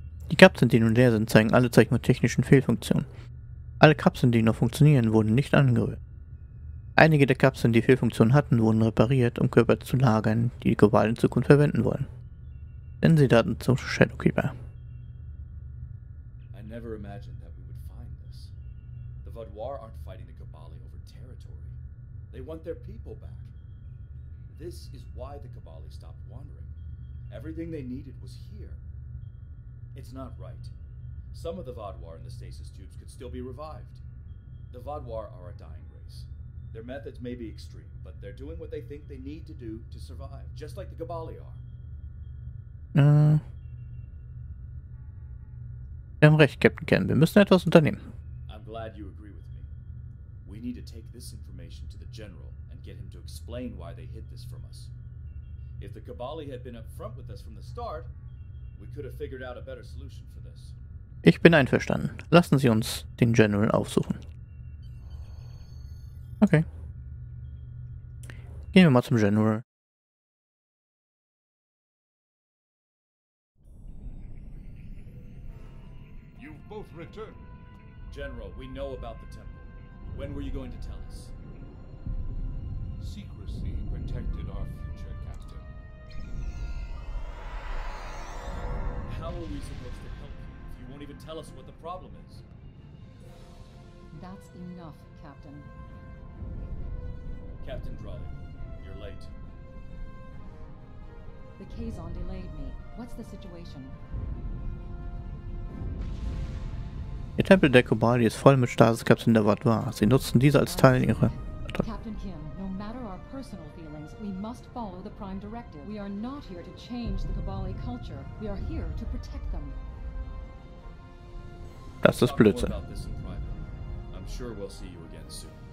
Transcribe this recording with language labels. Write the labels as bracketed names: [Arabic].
[German] Die Kapseln, die nun leer sind, zeigen alle Zeichen von technischen Fehlfunktionen. Alle Kapseln, die noch funktionieren, wurden nicht angerührt. Einige der Kapseln, die Fehlfunktionen hatten, wurden repariert, um Körper zu lagern, die Kobali in Zukunft verwenden wollen. Kennen Sie Daten zum Shadowkeeper? [English] Never imagined that we would find this. The Vodwar aren't fighting the Kobali over territory. They want their people back. this is why the Kabali stopped wandering. Everything they needed was here. It's not right. Some of the Vaadwaar in the stasis tubes could still be revived. The Vaadwaar are a dying race. Their methods may be extreme, but they're doing what they think they need to do to survive, just like the Kabali are. [German] Wir haben recht, Captain Ken. Wir müssen etwas unternehmen. [English] I'm glad you agree with me. We need to take this information to the General and get him to explain why they hid this from us. If the Kabali had been up front with us from the start, we could have figured out a better solution for this. [German] Ich bin einverstanden. Lassen Sie uns den General aufsuchen. [English] Okay. [German] Gehen wir mal zum General. [English] You've both returned. General, we know about the temple. When were you going to tell us? Secrecy protected our future, Captain. How are we supposed to help you if you won't even tell us what the problem is? That's enough, Captain. Captain Drolly, you're late. The Kazon delayed me. What's the situation? [German] Der Tempel der Kobali ist voll mit Stasiskapseln der Vaadwaar. Sie nutzen diese als Teil ihrer. [English] Captain Kim, no matter our personal feelings, we must follow the Prime Directive. We are not here to change the Kobali culture. We are here to protect them. [German] Das ist Blödsinn. [English] I'm sure we'll see you again soon.